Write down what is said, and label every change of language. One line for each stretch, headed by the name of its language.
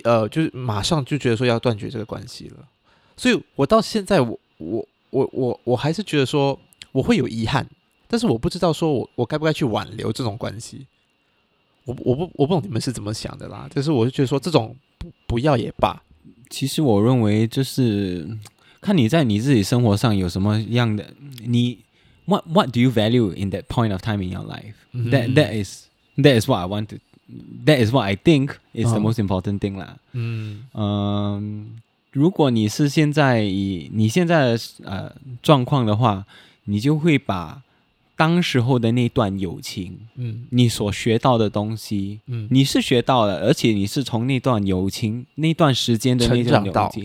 Chinese: 就马上就觉得说要断绝这个关系了，所以我到现在我还是觉得说我会有遗憾，但是我不知道说我该不该去挽留这种关系，我不懂你们是怎么想的啦，但是我就觉得说这种不要也罢。其实我认为就是看你在你自己生活上有什么样的你
English: what do you value in that point of time in your life、 mm-hmm. that is what I want toThat is what I think is the most important thing. 啦、嗯
Chinese: 如果你是现在以你现在的状况的话，你就会把当时候的那段友情、嗯、你所学到的东西、嗯、你是学到了，而且你是从那段友情那段时间的那段友情